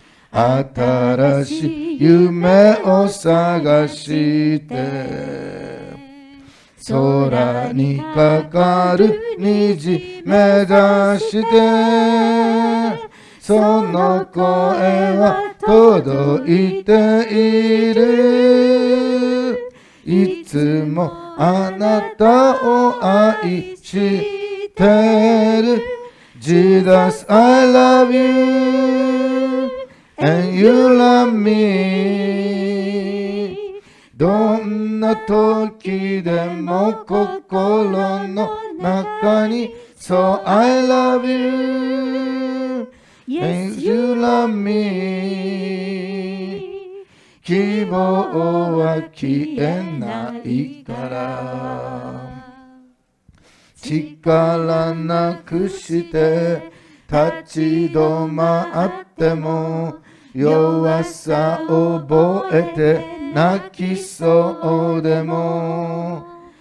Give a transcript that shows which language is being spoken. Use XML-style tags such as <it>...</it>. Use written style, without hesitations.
<ja>新しい夢を探して、空にかかる虹目指して、その声は届いている。いつもあなたを愛してる。</ja> <en>Jesus I love youAnd you love me.</en> <ja>どんな時でも心の中に</ja> <en>So I love you. And you love me.</en> <ja>希望は消えないから、力なくして立ち止まっても、弱さを覚えて泣きそうでも、</ja>